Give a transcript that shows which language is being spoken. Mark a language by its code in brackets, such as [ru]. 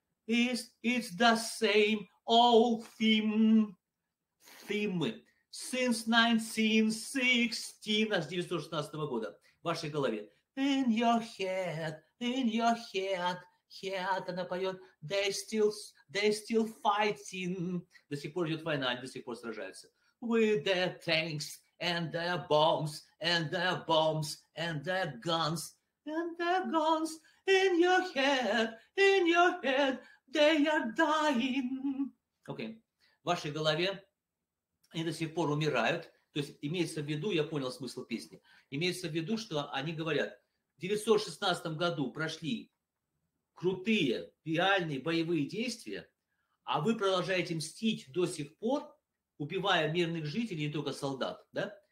[en] It's the same old theme since 1916 [ru] года в вашей голове. [en] In your head. Хеат, [ru] она поет, [en] they still fighting. [ru] До сих пор идет война, они до сих пор сражаются. [en] With their tanks and their bombs and their bombs and their guns and their guns in your head, they are dying. [ru] Окей. В вашей голове они до сих пор умирают. То есть имеется в виду, я понял смысл песни, имеется в виду, что они говорят, в 1916 году прошли крутые, реальные боевые действия, а вы продолжаете мстить до сих пор, убивая мирных жителей, не только солдат. Да?